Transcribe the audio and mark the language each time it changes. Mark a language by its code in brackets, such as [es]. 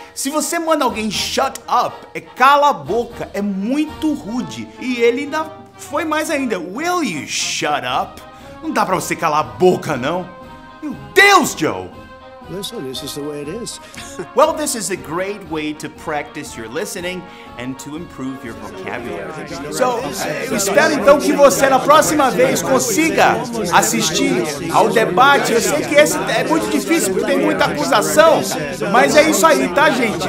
[pt] Se você manda alguém shut up, é cala a boca, é muito rude. E ele ainda foi mais ainda. [en] Will you shut up? [pt] Não dá pra você calar a boca, não. Meu Deus, Joe! [en] Listen, this is the way it is. Well, this is a great way to practice your listening and to improve your vocabulary. [pt] So, eu espero então que você na próxima vez consiga assistir ao debate. Eu sei que esse é muito difícil porque tem muita acusação, mas é isso aí, tá, gente?